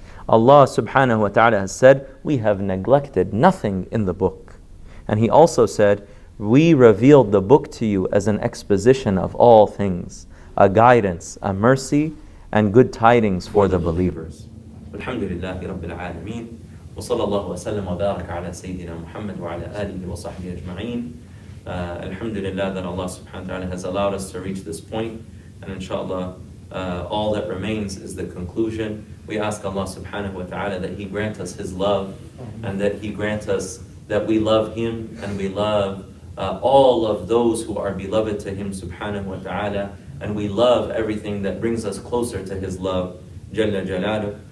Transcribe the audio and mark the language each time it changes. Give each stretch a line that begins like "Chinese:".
English: Allah subhanahu wa ta'ala has said, we have neglected nothing in the book. And He also said, we revealed the book to you as an exposition of all things, a guidance, a mercy, and good tidings for the believers.
Arabic: Alhamdulillahi Rabbil Alameen. وصلى الله وسلم وبارك على سيدنا محمد وعلى آله وصحبه أجمعين. الحمد لله
English: that Allah subhanahu wa ta'ala has allowed us to reach this point. And inshallah, all that remains is the conclusion. We ask Allah subhanahu wa ta'ala that He grant us His love, and that He grant us that we love Him, and we love all of those who are beloved to Him subhanahu wa ta'ala, and we love everything that brings us closer to His love, Jalla Jalaluh.